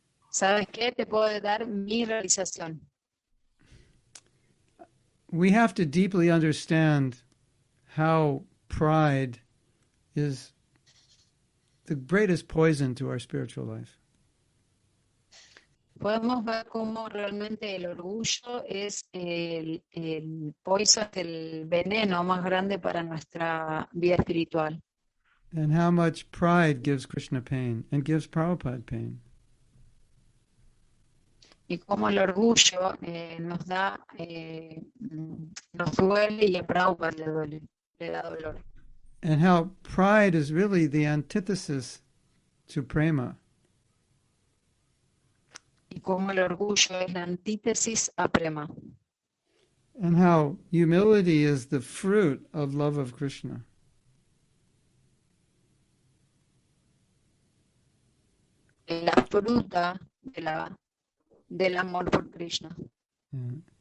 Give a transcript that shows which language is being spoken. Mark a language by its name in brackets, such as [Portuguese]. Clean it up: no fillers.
[Spanish] ¿Sabes qué? Te puedo dar mi realización. [English] We have to deeply understand how pride is the greatest poison to our spiritual life. [Spanish] Podemos ver cómo realmente el orgullo es el [English] poison, [Spanish] el veneno más grande para nuestra vida espiritual. [English] And how much pride gives Krishna pain and gives Prabhupada pain. [Spanish] Y cómo el orgullo nos duele y a Prabhupada le da dolor. [English] And how pride is really the antithesis to prema. [Spanish] Y cómo el orgullo es la antítesis a prema. [English] And how humility is the fruit of love of Krishna. [Spanish] La fruta del amor por Krishna. [English] Yeah.